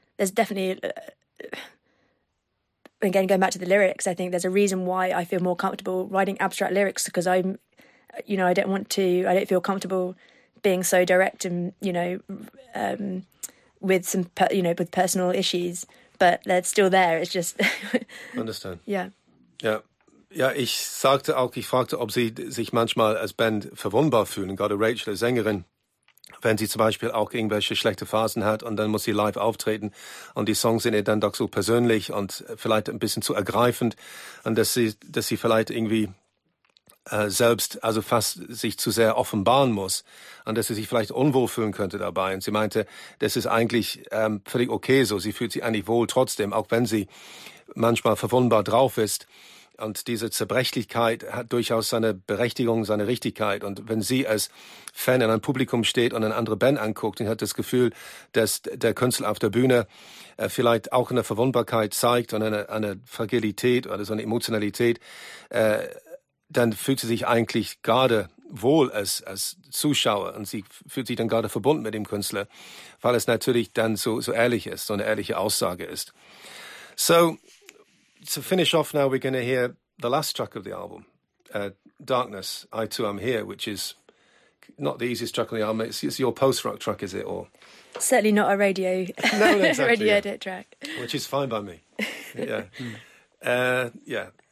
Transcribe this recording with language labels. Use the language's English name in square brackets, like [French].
[English] There's definitely again going back to the lyrics. I think there's a reason why I feel more comfortable writing abstract lyrics, because I don't feel comfortable being so direct and, you know, with some, you know, with personal issues, but they're still there. It's just... Understand. Yeah. Yeah. [German] Ja, ich sagte auch, ich fragte, ob Sie sich manchmal als Band verwundbar fühlen, gerade Rachel, Sängerin, wenn sie zum Beispiel auch irgendwelche schlechte Phasen hat und dann muss sie live auftreten und die Songs sind ihr dann doch so persönlich und vielleicht ein bisschen zu ergreifend und dass sie vielleicht irgendwie... selbst, also fast sich zu sehr offenbaren muss und dass sie sich vielleicht unwohl fühlen könnte dabei. Und sie meinte, das ist eigentlich völlig okay so. Sie fühlt sich eigentlich wohl trotzdem, auch wenn sie manchmal verwundbar drauf ist. Und diese Zerbrechlichkeit hat durchaus seine Berechtigung, seine Richtigkeit. Und wenn sie als Fan in einem Publikum steht und eine andere Band anguckt, dann hat das Gefühl, dass der Künstler auf der Bühne vielleicht auch eine Verwundbarkeit zeigt und eine Fragilität oder so eine Emotionalität, dann fühlt sie sich eigentlich gerade wohl als Zuschauer und sie fühlt sich dann gerade verbunden mit dem Künstler, weil es natürlich dann so ehrlich ist, so eine ehrliche Aussage ist. [English] So, to finish off now, we're going to hear the last track of the album, Darkness, I Too Am Here, which is not the easiest track on the album. It's your post-rock track, is it? Or certainly not a radio, no, exactly, radio yeah. edit track. Which is fine by me. Yeah. yeah.